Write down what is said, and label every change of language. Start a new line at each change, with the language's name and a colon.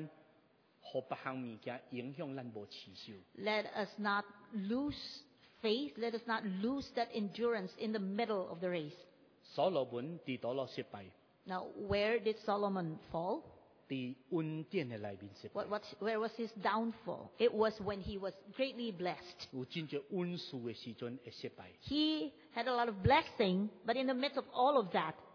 Min Nan Chinese: 不通在半路中间,让别项东西影响咱无持守。
English: Let us not lose faith, let us not lose that endurance in the middle of the race.
Min Nan Chinese: 所罗门在哪里失败?
English: Now, where did Solomon fall?
Min Nan Chinese: 在恩典的里面失败。
English: Where was his downfall? It was when he was greatly blessed.
Min Nan Chinese: 有很多恩赐的时候会失败。
English: He had a lot of blessing, but in the midst of all of that,